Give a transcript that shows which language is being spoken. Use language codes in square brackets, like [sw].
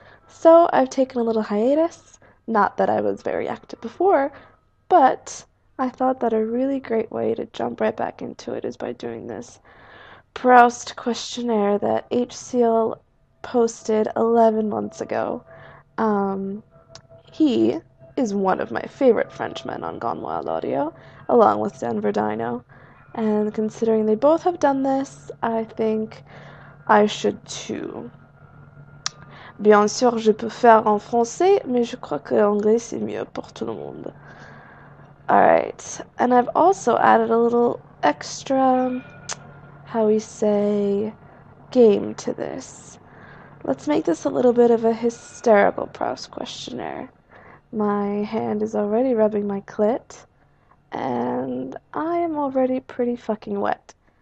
[en] So I've taken a little hiatus. Not that I was very active before, but I thought that a really great way to jump right back into it is by doing this Proust questionnaire that HCL posted 11 months ago. He is one of my favorite Frenchmen on Gone Wild Audio, along with Denver Dino. And considering they both have done this, I think I should too. [fr] Bien sûr, je peux faire en français, mais je crois que l'anglais c'est mieux pour tout le monde. [en] All right, and I've also added a little extra, how we say, game to this. Let's make this a little bit of a hysterical Proust questionnaire. My hand is already rubbing my clit, and I am already pretty fucking wet.